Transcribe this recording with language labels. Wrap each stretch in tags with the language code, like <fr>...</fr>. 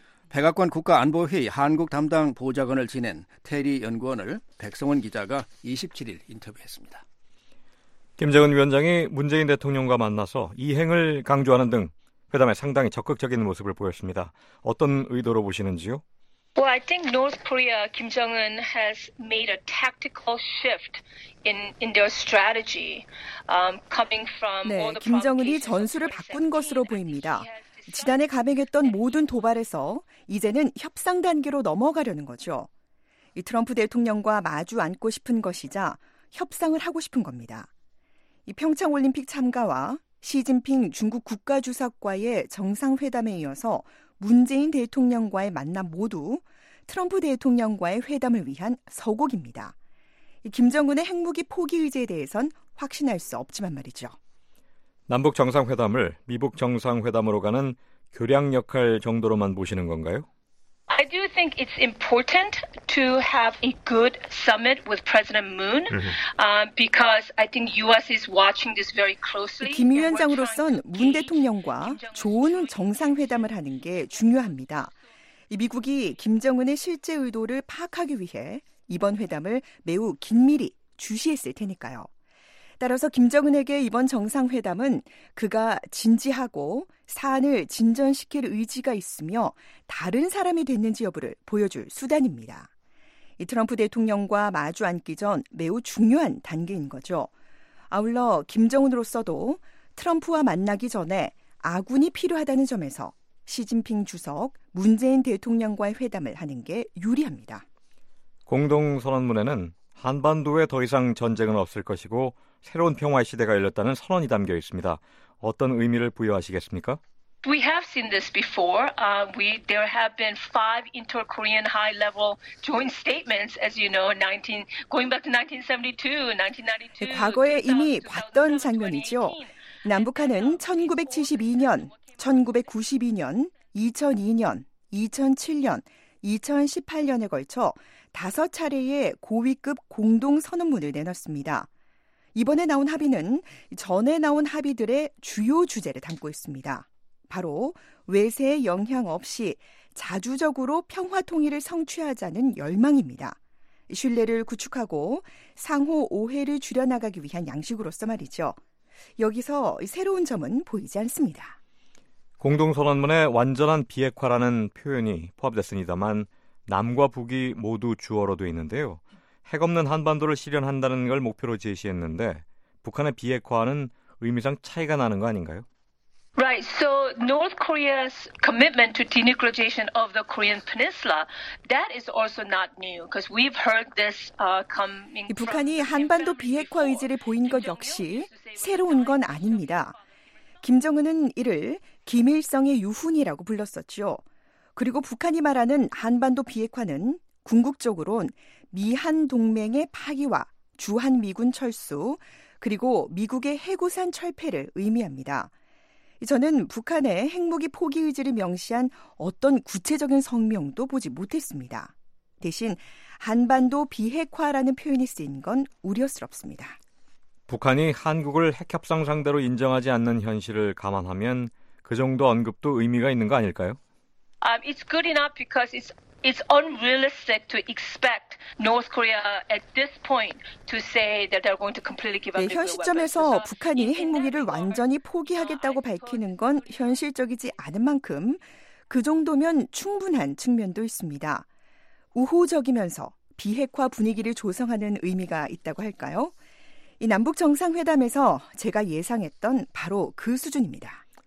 <ko>백악관 국가안보회의 한국 담당 보좌관을 지낸 테리 연구원을 백성원 기자가 27일 인터뷰했습니다. 김정은 위원장이 문재인 대통령과 만나서 이행을 강조하는 등 회담에 상당히 적극적인 모습을 보였습니다. 어떤 의도로 보시는지요?</ko> <en>Well, I think North Korea, Kim Jong-un has made a tactical shift in their strategy, coming from.</en> <ko>네, 김정은이 전술을 바꾼 것으로 보입니다. 지난해 감행했던 모든 도발에서 이제는 협상 단계로 넘어가려는 거죠. 이 트럼프 대통령과 마주 앉고 싶은 것이자 협상을 하고 싶은 겁니다. 이 평창 올림픽 참가와 시진핑 중국 국가주석과의 정상회담에 이어서 문재인 대통령과의 만남 모두 트럼프 대통령과의 회담을 위한 서곡입니다. 김정은의 핵무기 포기 의지에 대해선 확신할 수 없지만 말이죠. 남북 정상회담을 미북 정상회담으로 가는 교량 역할 정도로만 보시는 건가요?</ko> <en>I do think it's important to have a good summit with President Moon because I think U.S. is watching this very closely.</en> <ko>김 위원장으로선 문 대통령과 좋은 정상회담을 하는 게 중요합니다. 미국이 김정은의 실제 의도를 파악하기 위해 이번 회담을 매우 긴밀히 주시했을 테니까요. 따라서 김정은에게 이번 정상회담은 그가 진지하고 사안을 진전시킬 의지가 있으며 다른 사람이 됐는지 여부를 보여줄 수단입니다. 이 트럼프 대통령과 마주 앉기 전 매우 중요한 단계인 거죠. 아울러 김정은으로서도 트럼프와 만나기 전에 아군이 필요하다는 점에서 시진핑 주석, 문재인 대통령과의 회담을 하는 게 유리합니다. 공동선언문에는 한반도에 더 이상 전쟁은 없을 것이고 새로운 평화의 시대가 열렸다는 선언이 담겨 있습니다. 어떤 의미를 부여하시겠습니까?</ko> <en>We have seen this before. There have been five inter-Korean high-level joint statements, as you know, going back to 1972.</en> <ko>과거에 이미 봤던 장면이죠. 남북한은 1972년, 1992년, 2002년, 2007년, 2018년에 걸쳐 다섯 차례의 고위급 공동선언문을 내놨습니다. 이번에 나온 합의는 전에 나온 합의들의 주요 주제를 담고 있습니다. 바로 외세의 영향 없이 자주적으로 평화 통일을 성취하자는 열망입니다. 신뢰를 구축하고 상호 오해를 줄여나가기 위한 양식으로서 말이죠. 여기서 새로운 점은 보이지 않습니다. 공동선언문에 완전한 비핵화라는 표현이 포함됐습니다만 남과 북이 모두 주어로 되어 있는데요. 핵 없는 한반도를 실현한다는 걸 목표로 제시했는데 북한의 비핵화는 의미상 차이가 나는 거 아닌가요?</ko> <en>Right. So North Korea's commitment to denuclearization of the Korean Peninsula, that is also not new because we've heard this coming.</en> <ko>북한이 한반도 비핵화 의지를 보인 것 역시 새로운 건 아닙니다. 김정은은 이를 김일성의 유훈이라고 불렀었지요. 그리고 북한이 말하는 한반도 비핵화는 궁극적으로는 미한동맹의 파기와 주한미군 철수, 그리고 미국의 해구산 철폐를 의미합니다. 저는 북한의 핵무기 포기 의지를 명시한 어떤 구체적인 성명도 보지 못했습니다. 대신 한반도 비핵화라는 표현이 쓰인 건 우려스럽습니다. 북한이 한국을 핵협상 상대로 인정하지 않는 현실을 감안하면 그 정도 언급도 의미가 있는 거 아닐까요?</ko> <en>It's good enough because it's unrealistic to expect North Korea at this point to say that they're going to completely give up.</en> <ko>네, 현 시점에서 북한이 핵무기를 완전히 포기하겠다고 밝히는 건 현실적이지 않은 만큼 그 정도면 충분한 측면도 있습니다. 우호적이면서 비핵화 분위기를 조성하는 의미가 있다고 할까요? 이 남북정상회담에서 제가 예상했던 바로 그 수준입니다.</ko>